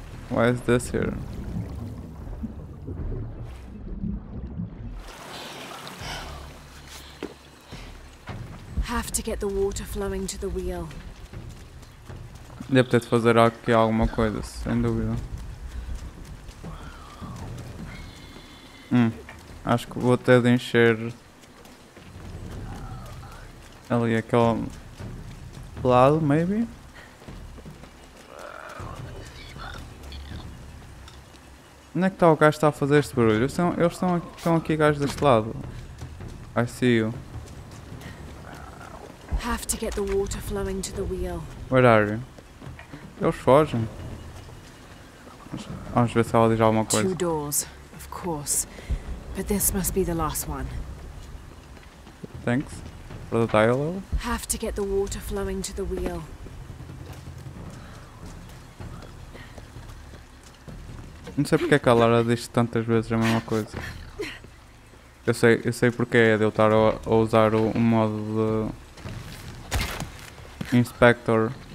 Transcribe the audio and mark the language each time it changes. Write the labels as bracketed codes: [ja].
[en] Why is this here? Have to get the water flowing to the wheel. [pt] Deve ter de fazer aqui alguma coisa, sem dúvida. Acho que vou ter de encher ali aquele lado, maybe? Onde é que está o gajo que está a fazer este barulho? Eles estão aqui gajos deste lado. [en] I see you. Have to get the water flowing to the wheel. Where are you? [pt] Eles fogem. Vamos ver se ela diz alguma coisa. [en] Two doors, of course. But this must be the last one. Thanks for the dialogue. Have to get the water flowing to the wheel. [pt] Não sei porque é que a Lara diz tantas vezes a mesma coisa. Eu sei porque é de eu estar a usar o modo de Inspector.